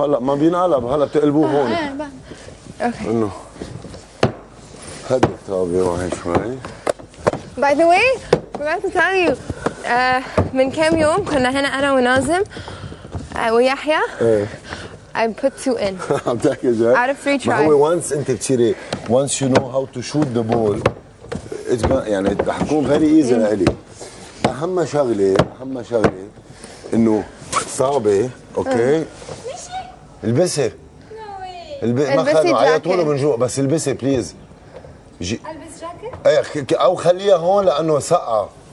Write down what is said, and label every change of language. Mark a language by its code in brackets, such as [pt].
[ar] هلا ما بينقلب، هلا بتقلبوه هون. اوكي هدي طابي وهي شوي. [en] by the way forgot to tell you [ar] من كم يوم كنا هنا انا ونازم ويحيى. [en] I put two in. I'm taking that. Out of free try. [ar] هو [en] once [ar] انت بتشيري [en] once you know how to shoot the ball it's [ar] يعني حكون [en] very easy [ar] لإلي. أهم شغلة أهم شغلة إنه صعبة. أوكي. مشي. البسي. [en] No way. [ar] البسي جاكيت. عيطوله من جوا بس البسي بليز. جي. البس جاكيت. إيه أو خليها هون لأنه سقعة.